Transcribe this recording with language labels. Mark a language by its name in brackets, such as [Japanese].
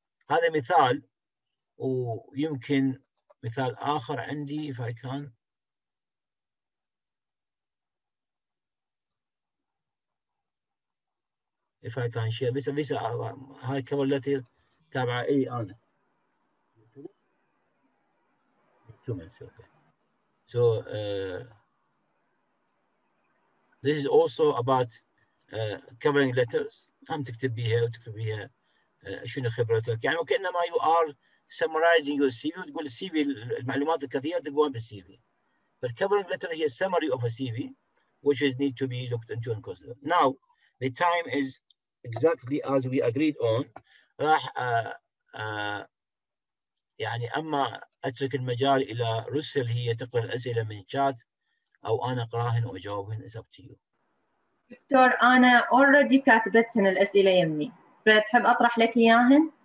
[Arabic] هذا مثال، ويمكن مثال اخر عندي اذا كان [English] if I can share this this [Arabic] هاي كفر لتر تابعة اي انا [English] so this is also about covering letters. [Arabic] عم تكتب بيها وتكتب بيها شنو خبرتك، يعني وكأنما [English] you are summarizing your CV، [Arabic] وتقول CV المعلومات الكثيرة تقوم بالCV. [English] But covering letter is a summary of a CV which is need to be looked into and considered. Now the time is exactly as we agreed on. [Arabic] راح يعني أما أترك المجال إلى رسل هي تقرأ الأسئلة من الشات أو أنا أقراهن وأجاوبهن، [English] it's up to you. [Arabic] دكتور أنا already كاتبتهن الأسئلة يمي، فتحب أطرح لك إياهن؟